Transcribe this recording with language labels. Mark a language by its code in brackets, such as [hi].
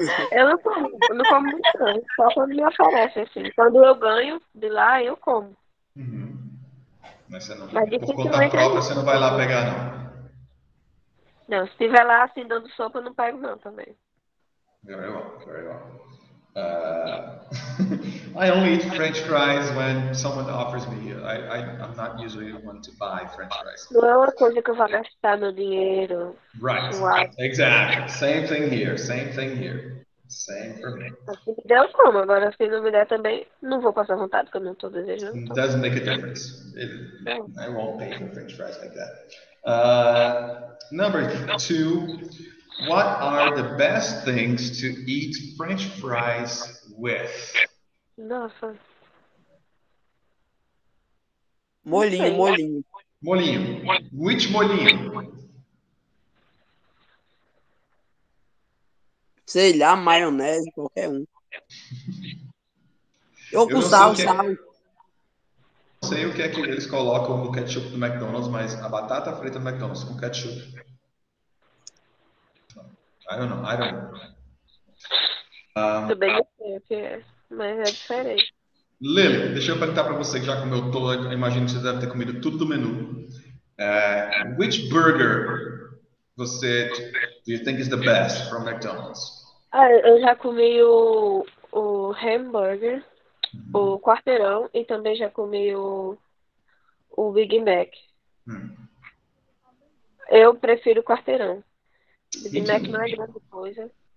[pt] Eu não como muito, só quando me oferece, assim. Quando eu ganho de lá, eu como. Uhum. Mas você não, mas por conta própria, você não vai lá pegar, não? Não, se estiver lá, assim, dando sopa, eu não pego, não, também. [en] Very well, very well. I only eat French fries when someone offers me. I'm not usually the one to buy French fries. [pt] Não é uma coisa que eu vou gastar meu dinheiro. [en] Right. Exactly. Same thing here. Same thing here. Same for me. [pt] Se me der, eu como. Agora, se não me der também, não vou passar vontade porque eu não estou desejando. [en] It doesn't make a difference. I won't pay for French fries like that. Number two. What are the best things to eat French fries with? [pt] Nossa. Molinho, molinho. [en] Molinho. Which molinho? [pt] Sei lá, maionese, qualquer um. Eu com sal, sal. Não sei o que é que eles colocam no ketchup do McDonald's, mas a batata frita do McDonald's com ketchup. [en] I don't know, I don't know. [pt] Tudo bem, mas é diferente. Lily, deixa eu perguntar para você, já como eu tô, imagino que você deve ter comido tudo do menu. [en] Which burger [pt] você [en] do you think is the best from McDonald's? [pt] Ah, eu já comi o hambúrguer, o quarteirão, e também já comi o Big Mac. Eu prefiro o quarteirão. Big Mac não é grande coisa.